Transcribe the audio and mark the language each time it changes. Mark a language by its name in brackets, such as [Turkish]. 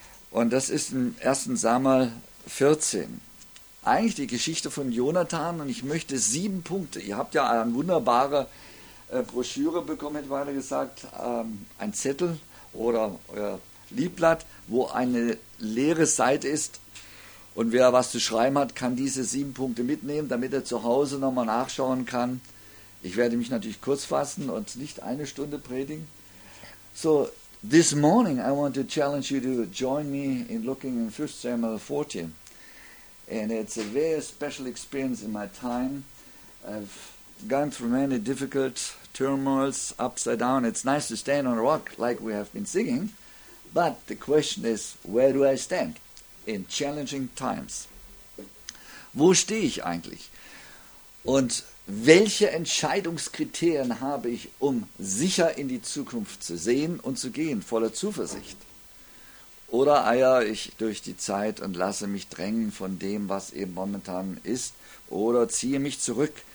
[German] Und das ist im 1. Samuel 14. Eigentlich die Geschichte von Jonathan, und ich möchte 7 Punkte, ihr habt ja eine wunderbare Broschüre bekommen, hätte ich weiter gesagt, ein Zettel oder euer Liebblatt, wo eine leere Seite ist, und wer was zu schreiben hat, kann diese 7 Punkte mitnehmen, damit er zu Hause nochmal nachschauen kann. Ich werde mich natürlich kurz fassen und nicht eine Stunde predigen. [English] So, this morning I want to challenge you to join me in looking in 1 Samuel 14. And it's a very special experience in my time. I've gone through many difficult turmoils, upside down. It's nice to stand on a rock like we have been singing. But the question is, where do I stand in challenging times? [German] Wo stehe ich eigentlich? Und welche Entscheidungskriterien habe ich, um sicher in die Zukunft zu sehen und zu gehen, voller Zuversicht? Oder eier ich durch die Zeit und lasse mich drängen von dem, was eben momentan ist, oder ziehe mich zurück?